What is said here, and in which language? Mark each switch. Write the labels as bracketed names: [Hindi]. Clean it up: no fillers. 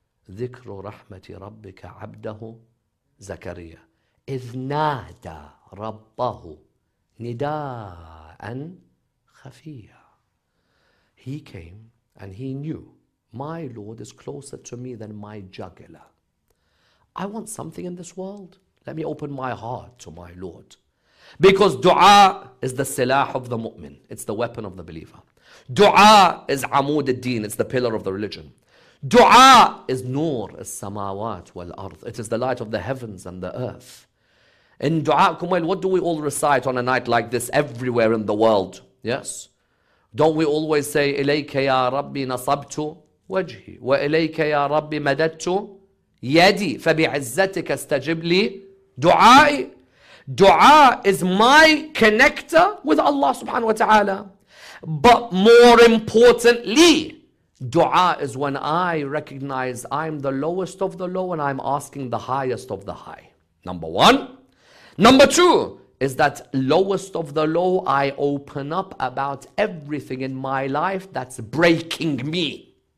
[Arabic] ذكر رحمة ربك عبده زكريا إذ نادى ربه نداء خفيا. [English] He came and he knew, my Lord is closer to me than my jugular. I want something in this world. Let me open my heart to my Lord. Because dua is the silah of the mu'min. It's the weapon of the believer. Dua is amud al-deen. It's the pillar of the religion. Dua is nur as-samawat wal-ardh. It is the light of the heavens and the earth. In dua, Kumail, what do we all recite on a night like this everywhere in the world? Yes? Don't we always say, [Arabic] إِلَيْكَ يَا رَبِّ نَصَبْتُ وَجْهِ وَإِلَيْكَ يَا رَبِّ مَدَدْتُ يَدِي فَبِعِزَّتِكَ اسْتَجِبْ لِي دُعَائِ. [English] Dua is my connector with Allah subhanahu wa ta'ala. But more importantly, dua is when I recognize I'm the lowest of the low and I'm asking the highest of the high. Number one. Number two is that lowest of the low, I open up about everything in my life that's breaking me.